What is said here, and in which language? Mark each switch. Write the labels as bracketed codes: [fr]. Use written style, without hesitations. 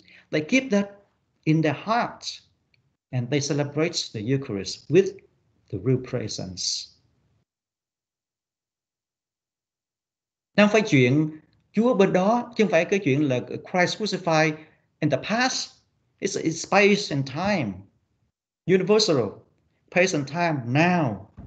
[en] They keep that in their heart, and they celebrate the Eucharist with the real presence. [vi] Đang phải chuyện Chúa bên đó, chứ không phải cái chuyện là [en] Christ crucified in the past. It's space and time, universal, space and time now.